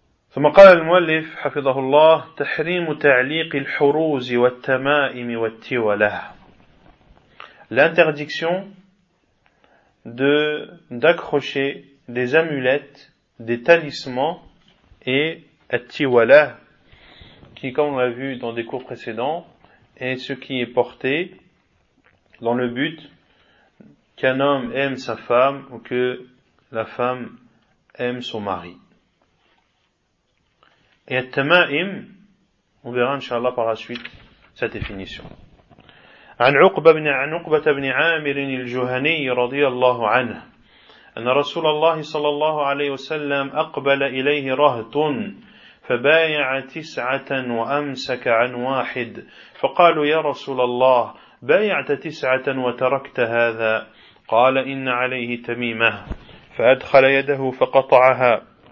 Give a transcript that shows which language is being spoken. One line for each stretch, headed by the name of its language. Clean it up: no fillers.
Arabic: ثم قال المؤلف حفظه الله تحريم تعليق الحروز والتمائم والتولة.
French: L'interdiction de d'accrocher des amulettes, des talismans et التولة, qui, comme on l'a vu dans des cours précédents, est ce qui est porté dans le but qu'un homme aime sa femme ou que la femme aime son mari. Et at-tama'im, on verra inshallah par la suite sa définition.
Arabic: An-Uqba ibn Amir al-Juhani radiyallahu anhu, anna Rasulallah sallallahu alayhi wa sallam aqbala ilayhi rahtun فبايع تسعة وأمسك عن واحد فقالوا يا رسول الله بايعت تسعة وتركت هذا قال إن عليه تميمة فأدخل يده فقطعها